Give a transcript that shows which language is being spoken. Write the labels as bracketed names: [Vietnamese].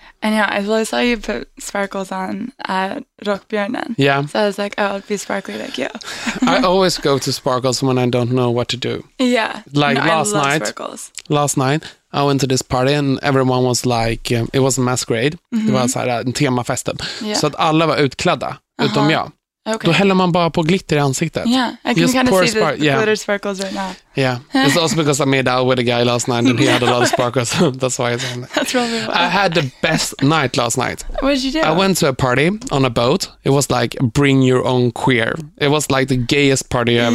[English] And yeah, I really saw you put sparkles on at Rockbjörnen. Yeah. So I was like, oh, I'll be sparkly like you. I always go to sparkles when I don't know what to do. Yeah. Like no, last I love night. Sparkles. Last night, I went to this party and everyone was like, it was a masquerade. Mm-hmm. [Swedish] Det var så här en temafest. [English] Yeah. [Swedish] Så att alla var utklädda, uh-huh. utom jag. [English] Okay. [Swedish] Då häller man bara på glitter i ansiktet. [English] Yeah, I can just kind of see the yeah. glitter sparkles right now. Yeah, it's also because I made out with a guy last night and he had a lot of sparkles. That's why I said that. That's probably why. I had the best night last night. What did you do? I went to a party on a boat. It was like bring your own queer. It was like the gayest party I've